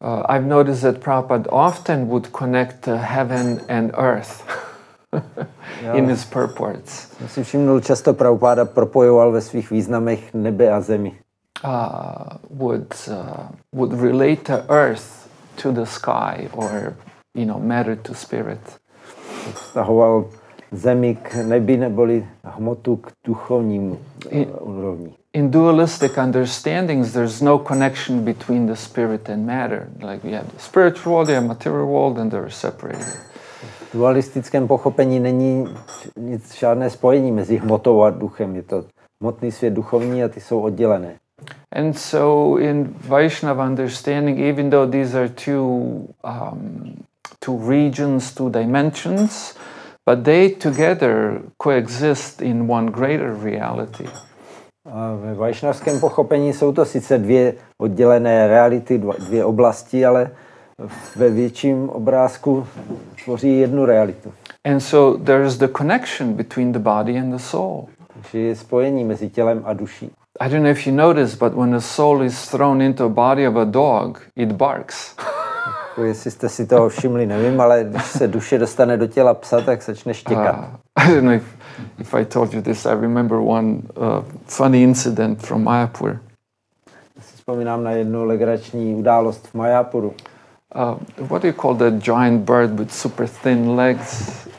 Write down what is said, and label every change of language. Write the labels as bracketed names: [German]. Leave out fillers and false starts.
[English] I've noticed that Prabhupada often would connect heaven and earth in his purports. [Czech] Já si všimnul, často Prabhupada propojoval ve svých významech nebe a zemi. [English] Would relate the earth to the sky, or, you know, matter to spirit. [Czech] Vztahoval zemi k nebi neboli hmotu k duchovním úrovni. [English] In dualistic understandings, there's no connection between the spirit and matter. Like we have the spiritual world, the material world, and they're separated. [Czech] V dualistickém pochopení není nic, žádné spojení mezi hmotou a duchem. Je to hmotný svět, duchovní, a ty jsou oddělené. [English] And so in Vaishnava understanding, even though these are two regions, two dimensions, but they together coexist in one greater reality. [Czech] A ve vaishnavském pochopení jsou to sice dvě oddělené reality, dvě oblasti, ale ve větším obrázku tvoří jednu realitu. [English] And so there is the connection between the body and the soul. [Czech] Takže je spojení mezi tělem a duší. [English] I don't know if you notice, but when a soul is thrown into a body of a dog, it barks. [Czech] Jestli jste si toho všimli, nevím, ale když se duše dostane do těla psa, tak začne štěkat. [English] I don't know if I told you this, I remember one funny incident from Mayapur. [Czech] Já si vzpomínám na jednu legrační událost v Mayapuru. [English] What do you call that giant bird with super thin legs?